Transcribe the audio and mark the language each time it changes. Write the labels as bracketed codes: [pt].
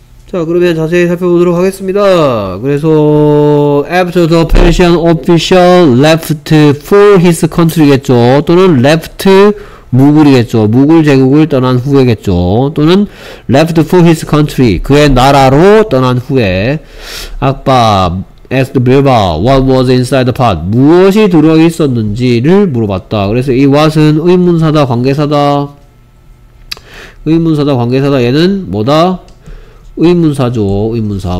[ko] 자, 그러면 자세히 살펴보도록 하겠습니다. [en] 그래서 after the Persian official left for his country겠죠. [ko] 또는 left 무굴이겠죠. 무굴 제국을 떠난 후에겠죠. [en] 또는 left for his country, [ko] 그의 나라로 떠난 후에 아빠 [en] asked Birbal what was inside the pot. [ko] 무엇이 들어 있었는지를 물어봤다. 그래서 이 what은 의문사다, 관계사다. 의문사다, 관계사다. 얘는 뭐다? 의문사죠. 의문사.